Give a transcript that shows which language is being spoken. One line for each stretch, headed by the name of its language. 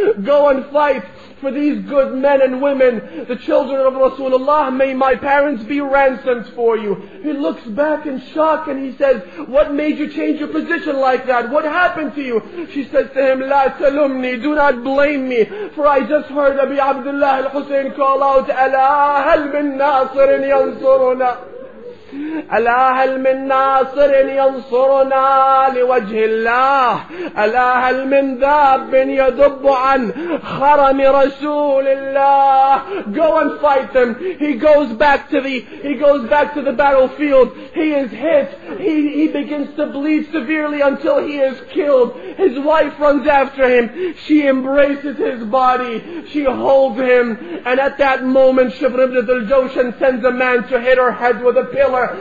English: Go and fight for these good men and women, the children of Rasulullah, may my parents be ransomed for you. He looks back in shock and he says, "What made you change your position like that? What happened to you?" She says to him,
Arabic: "La talumni,
English: do not blame me, for I just heard Abi Abdullah al-Husayn call out,
Arabic: 'Ala hal min nasirin yansuruna? ألا هل من ناصر ينصرنا لوجه الله ألا هل من ذاب يذب عن خرم رسول الله."
English: Go and fight them. He goes back to the battlefield. He is hit. He begins to bleed severely until he is killed. His wife runs after him. She embraces his body. She holds him. And at that moment, Shibr ibn Dhul-Jawshan sends a man to hit her head with a pillar.